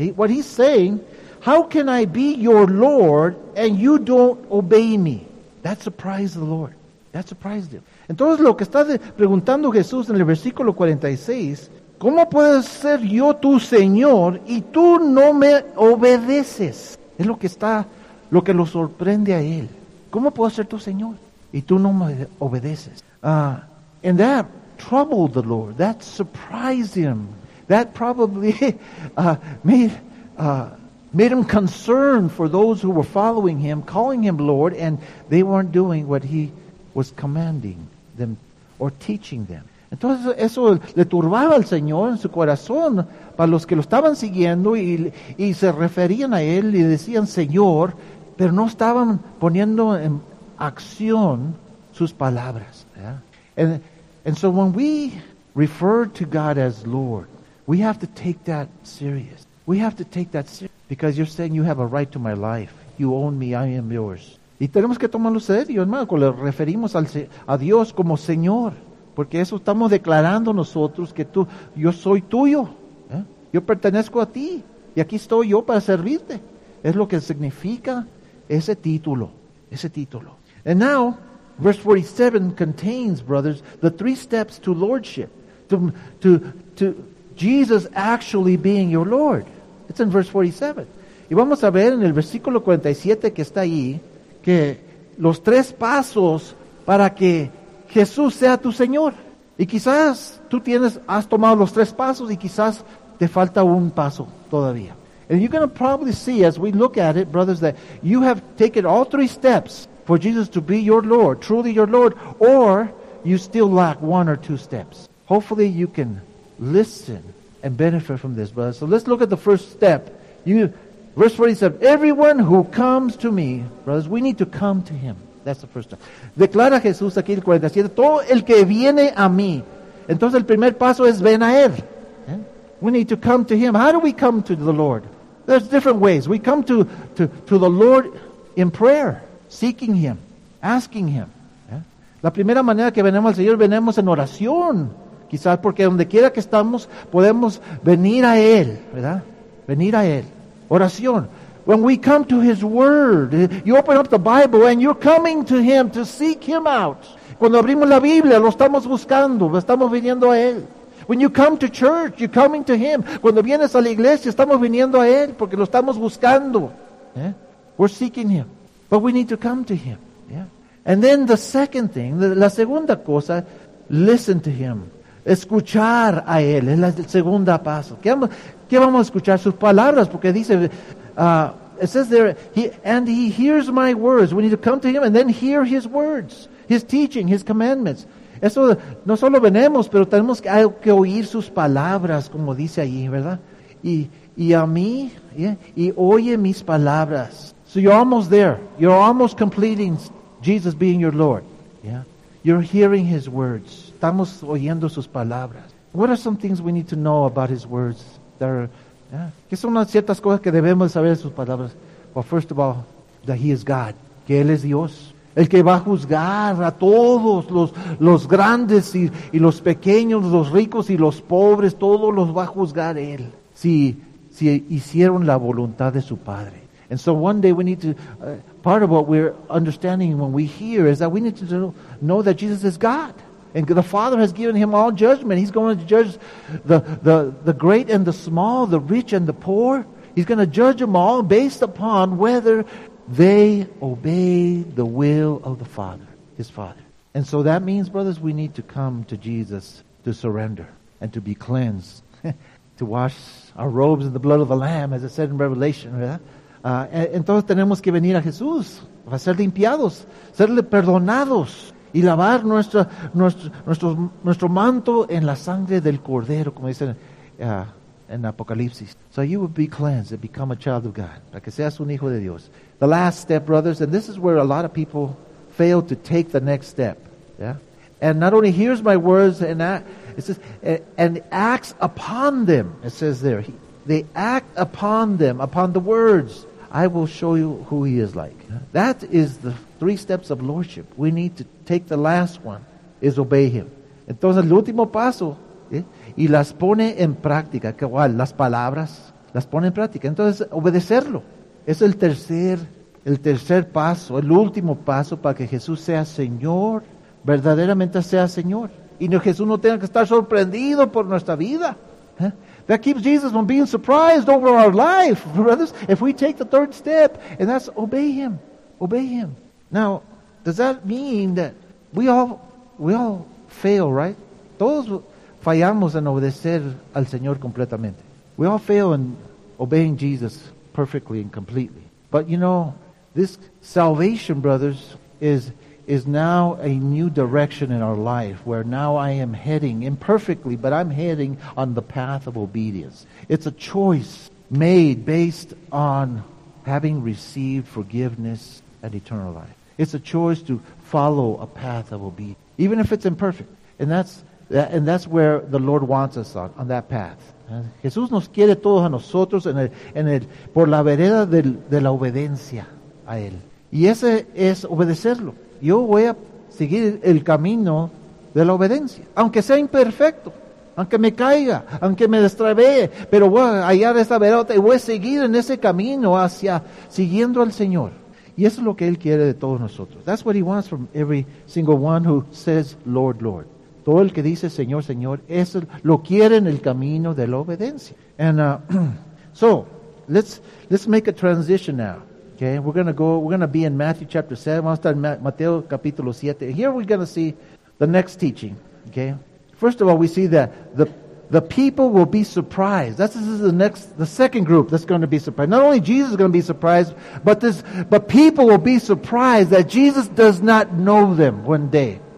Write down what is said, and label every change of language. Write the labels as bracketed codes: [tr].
[en] What he's saying, how can I be your Lord and you don't obey me? That surprised the Lord. That surprised him. [es] Entonces, lo que está preguntando Jesús en el versículo 46, ¿cómo puedo ser yo tu Señor y tú no me obedeces? Es lo que lo sorprende a él. ¿Cómo puedo ser tu Señor y tú no me obedeces? [en] And that troubled the Lord. That surprised him. That probably made him concerned for those who were following him, calling him Lord, and they weren't doing what he was commanding them or teaching them. [es] Entonces eso le turbaba al Señor en su corazón para los que lo estaban siguiendo y se referían a él y decían Señor, pero no estaban poniendo en acción sus palabras. [en] Yeah. And so when we refer to God as Lord, we have to take that serious. We have to take that serious because you're saying you have a right to my life. You own me. I am yours. [es] Y tenemos que tomarlo serio, hermano, cuando le referimos a Dios como Señor. Porque eso estamos declarando nosotros que tú, yo soy tuyo. Yo pertenezco a ti. Y aquí estoy yo para servirte. Es lo que significa ese título. Ese título. [en] And now, verse 47 contains, brothers, the three steps to lordship. To Jesus actually being your Lord. It's in verse 47. [es] Y vamos a ver en el versículo 47 que está ahí, que los tres pasos para que Jesús sea tu Señor. Y quizás tú has tomado los tres pasos y quizás te falta un paso todavía. [en] And you're going to probably see as we look at it, brothers, that you have taken all three steps for Jesus to be your Lord, truly your Lord, or you still lack one or two steps. Hopefully you can listen and benefit from this, brothers. So let's look at the first step. Verse 47, everyone who comes to me, brothers, we need to come to him. That's the first step. [es] Declara Jesús aquí el 47, todo el que viene a mí. Entonces el primer paso es ven a él. [en] We need to come to him. How do we come to the Lord? There's different ways. We come to the Lord in prayer, seeking him, asking him. [es] La primera manera que venimos al Señor, venimos en oración. Quizás porque donde quiera que estamos, podemos venir a él, ¿verdad? Venir a él. Oración. [en] When we come to his word, you open up the Bible and you're coming to him to seek him out. [es] Cuando abrimos la Biblia, lo estamos buscando, estamos viniendo a él. [en] When you come to church, you're coming to him. [es] Cuando vienes a la iglesia, estamos viniendo a él porque lo estamos buscando. [en] ¿Eh? We're seeking him. But we need to come to him. Yeah. And then the second thing, [es] la segunda cosa, [en] listen to him. [es] Escuchar a él es el segundo paso. ¿Qué vamos a escuchar? Sus palabras, porque dice, [en] it says there, he hears my words. We need to come to him and then hear his words, his teaching, his commandments. [es] Eso no solo venemos, pero tenemos que oír sus palabras, como dice ahí, ¿verdad? Y oye mis palabras. [en] So you're almost there. You're almost completing Jesus being your Lord. Yeah. You're hearing his words. [es] Estamos oyendo sus palabras. [en] What are some things we need to know about his words? [es] ¿Qué son ciertas cosas que debemos saber de sus palabras? [en] Well, first of all, that he is God. [es] que Él es Dios, el que va a juzgar a todos los grandes y los pequeños, los ricos y los pobres, todos los va a juzgar Él, si hicieron la voluntad de su Padre. [en] And so one day we need to, part of what we're understanding when we hear is that we need to know that Jesus is God. And the Father has given Him all judgment. He's going to judge the great and the small, the rich and the poor. He's going to judge them all based upon whether they obey the will of the Father, His Father. And so that means, brothers, we need to come to Jesus to surrender and to be cleansed, to wash our robes in the blood of the Lamb, as it said in Revelation. Right? [es] Entonces tenemos que venir a Jesús para ser limpiados, serle perdonados. Y lavar nuestro manto en la sangre del Cordero, como dicen en Apocalipsis. [en] So you will be cleansed and become a child of God. [es] Para que seas un hijo de Dios. [en] The last step, brothers, and this is where a lot of people fail to take the next step. Yeah? And not only hears my words, and it says, and acts upon them. It says there, they act upon them, upon the words. I will show you who He is like. That is the three steps of lordship. We need to take the last one, is obey Him. [es] Entonces, el último paso, ¿eh? Y las pone en práctica. ¿Qué igual? Las palabras, las pone en práctica. Entonces, obedecerlo. Es el tercer paso, el último paso para que Jesús sea Señor, verdaderamente sea Señor. Y no, Jesús no tenga que estar sorprendido por nuestra vida. ¿Eh? [en] That keeps Jesus from being surprised over our life, brothers, if we take the third step, and that's obey Him. Obey Him. Now, does that mean that we all fail, right? [es] Todos fallamos en obedecer al Señor completamente. [en] We all fail in obeying Jesus perfectly and completely. But you know, this salvation, brothers, is now a new direction in our life, where now I am heading, imperfectly, but I'm heading on the path of obedience. It's a choice made based on having received forgiveness and eternal life. It's a choice to follow a path of obedience, even if it's imperfect. And that's where the Lord wants us on that path. [es] Jesús nos quiere todos a nosotros por la vereda de la obediencia a Él. Y ese es obedecerlo. Yo voy a seguir el camino de la obediencia, aunque sea imperfecto, aunque me caiga, aunque me destravee, pero voy a hallar esa vereda y voy a seguir en ese camino hacia siguiendo al Señor. Y eso es lo que Él quiere de todos nosotros. [en] That's what He wants from every single one who says, Lord, Lord. [es] Todo el que dice, Señor, Señor, eso lo quiere en el camino de la obediencia. [en] And so, let's make a transition now. Okay, we're going to be in Matthew chapter 7. [es] Vamos a estar en Mateo capítulo 7. [en] Here we're going to see the next teaching. Okay, first of all, we see that the people will be surprised. This is the second group that's going to be surprised. Not only Jesus is going to be surprised, but people will be surprised that Jesus does not know them one day.